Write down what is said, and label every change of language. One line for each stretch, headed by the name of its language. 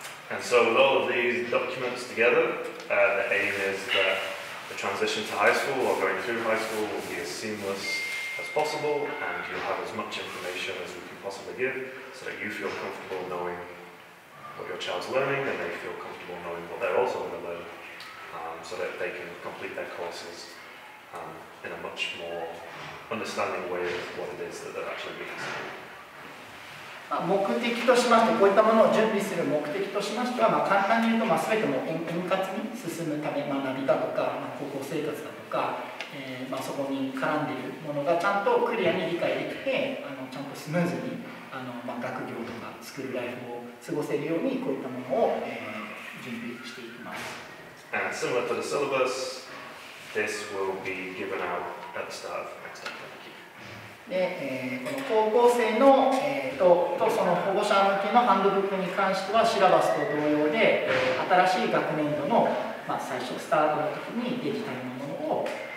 English: And so with all of these documents together、the aim is that the transition to high school or going through high school will be as seamlessas possible, and you'll have as much information as we can possibly give, so that you feel comfortable knowing what your child's learning, and they feel comfortable knowing what they're also going to learn, so that they can complete their courses in a much more understanding way of what it is that they're actually being studying.
Japanese: 目的としまして、こういったものを準備する目的としましては、まあ、簡単に言うと、まあ、全ても円滑に進むため、学びだとか、まあ、高校生活だとか、まあ、そこに絡んでいるものがちゃんとクリアに理解できて、ちゃんとスムーズに学業とかスクールライフを過ごせるようにこういったものを、準備していきます。
English: And similar to the syllabus, this will be given out at the start of next academic year.
Japanese: で、この高校生の、とその保護者向けのハンドブックに関してはシラバスと同様で、新しい学年度の、まあ、最初スタートの時にデジタルのものを